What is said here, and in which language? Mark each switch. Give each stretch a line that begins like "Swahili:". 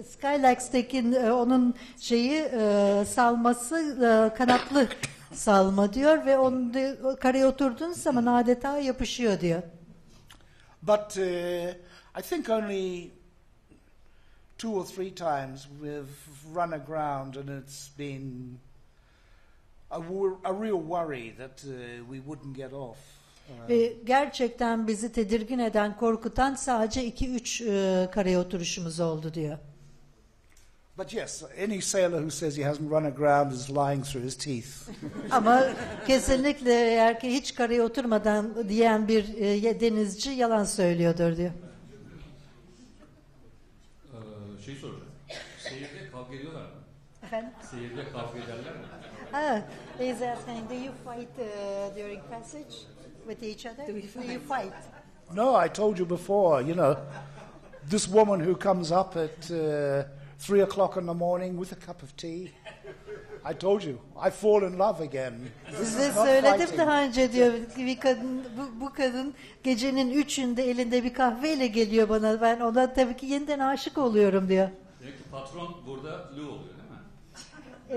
Turkish: Skylax'tekin onun şeyi salması kanatlı salma diyor ve onu karaya oturduğunuz zaman adeta yapışıyor diyor.
English: But I think only two or three times we've run aground and it's been a real worry that we wouldn't get off.
Turkish: Ve gerçekten bizi tedirgin eden, korkutan sadece 2-3 karaya oturuşumuz oldu diyor.
English: But yes, any sailor who says he hasn't run aground is lying through his teeth.
Turkish: Ama kesinlikle eğer ki hiç karaya oturmadan diyen bir denizci yalan söylüyordur diyor. Şey soracağım. Seyirde kavga ediyorlar mı? Efendim? Seyirde kavga ederler mi?
English: He's asking, do you fight during passage with each other? Do you fight? No, I told you before, you know, this woman who comes up at 3 o'clock in the morning with a cup of tea. I told you, I fall in love again.
Turkish: Size söyledim daha önce diyor, bir kadın, bu kadın gecenin üçünde elinde bir kahveyle geliyor bana. Ben ona tabii ki yeniden aşık oluyorum diyor. Demek ki patron burada Lou oluyor değil mi?